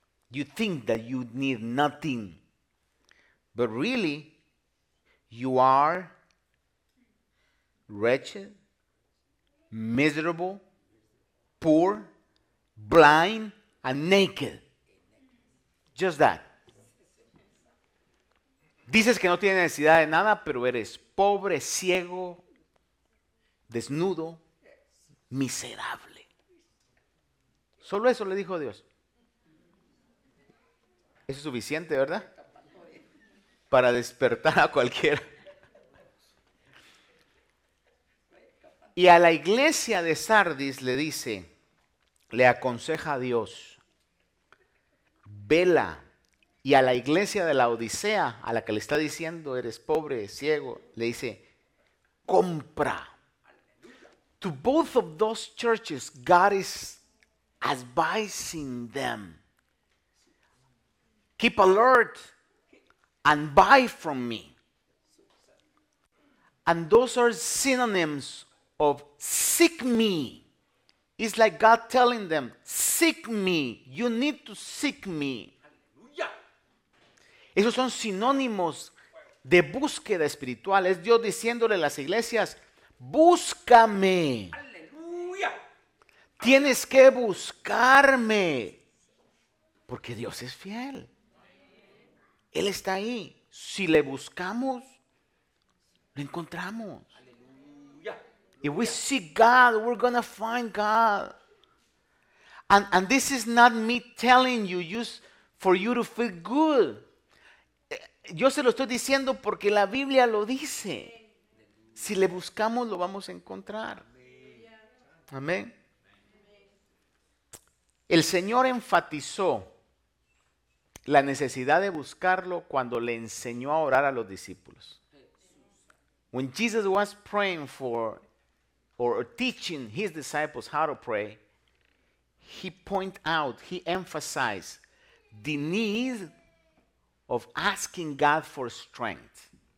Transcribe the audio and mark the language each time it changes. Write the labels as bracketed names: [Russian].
[English] You think that you need nothing, but really, you are wretched, miserable, poor, blind, and naked. Just that. [Spanish] Dices que no tienes necesidad de nada, pero eres pobre, ciego, desnudo, miserable. Solo eso le dijo Dios. Eso es suficiente, ¿verdad? Para despertar a cualquiera. Y a la iglesia de Sardis le dice, le aconseja a Dios, vela. Y a la iglesia de la Odisea, a la que le está diciendo, eres pobre, ciego, le dice, compra. [English] To both of those churches, God is advising them. Keep alert and buy from me. And those are synonyms of seek me. It's like God telling them, seek me. You need to seek me. [Spanish] Esos son sinónimos de búsqueda espiritual. Es Dios diciéndole a las iglesias, búscame. ¡Aleluya! Tienes que buscarme. Porque Dios es fiel. Él está ahí. Si le buscamos, lo encontramos. ¡Aleluya! [English] If we seek God, we're going to find God. And this is not me telling you just for you to feel good. [Spanish] Yo se lo estoy diciendo porque la Biblia lo dice. Si le buscamos, lo vamos a encontrar. Amén. El Señor enfatizó la necesidad de buscarlo cuando le enseñó a orar a los discípulos. [English] When Jesus was praying for or teaching his disciples how to pray, he pointed out, he emphasized the need of asking God for strength.